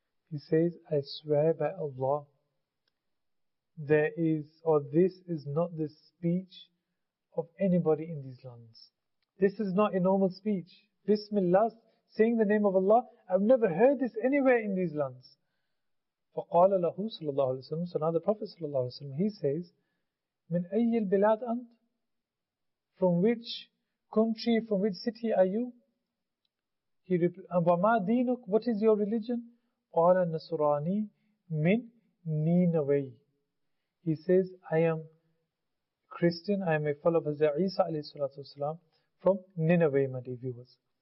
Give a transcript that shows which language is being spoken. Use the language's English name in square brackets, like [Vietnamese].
[English] He says, I swear by Allah, this is not the speech of anybody in these lands. This is not a normal speech. Bismillah, saying the name of Allah, I've never heard this anywhere in these lands. [Arabic] فَقَالَ لَهُ صَلَى اللَّهُ عَلَيْهِ وَسَلَّمُ. [English] So now the Prophet [Arabic] صلى الله عليه وسلم, [English] he says, [Arabic] مِنْ أَيِّ الْبِلَادِ أَنْتْ. [English] From which country, from which city are you? He replied, [Arabic] وَمَا دِينُكُ. [English] What is your religion? [Arabic] قَالَ النَّصُرَانِي مِنْ نِينَوَيْ. [English] He says, I am Christian, I am a follower of Hazrat Isa alayhi salatu wasalam from Nineveh, my dear viewers.